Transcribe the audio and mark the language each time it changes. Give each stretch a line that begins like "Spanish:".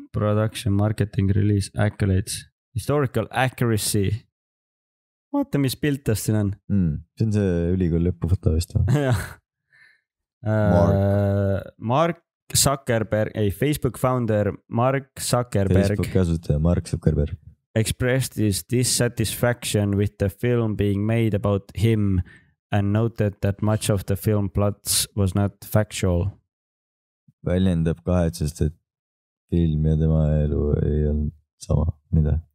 English: Production, marketing, release, accolades, historical accuracy.
Estonian: Vaata, mis piltast siin on. See on see ülikool lõpufoto vist.
English: Mark. Zuckerberg,
Estonian: ei,
English: Facebook founder Mark Zuckerberg.
Estonian: Facebook kasutaja Mark Zuckerberg.
English: Expressed his dissatisfaction with the film being made about him and noted that much of the film plots was not factual.
Estonian: Väljendab kahetsest, et film ja tema elu ei olnud sama, mida.